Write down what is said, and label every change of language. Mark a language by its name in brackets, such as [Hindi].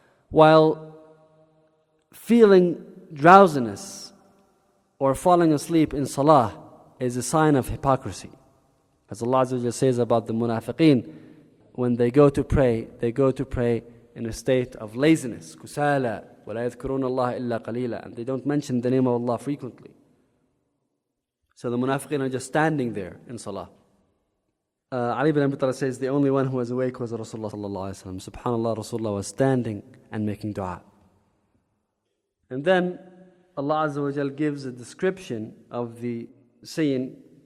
[English] While feeling drowsiness or falling asleep in salah is a sign of hypocrisy. As Allah Azza wa Jalla says about the munafiqeen, when they go to pray in a state of laziness. [Arabic] Kusala, وَلَا يَذْكُرُونَ اللَّهَ إِلَّا قَلِيلًا. [English] And they don't mention the name of Allah frequently. So the munafiqeen are just standing there in salah. Ali ibn Abi Talib says, the only one who was awake was Rasulullah sallallahu alayhi wa sallam. Subhanallah, Rasulullah was standing and making dua. And then Allah Azza wa Jalla gives a description of the scene.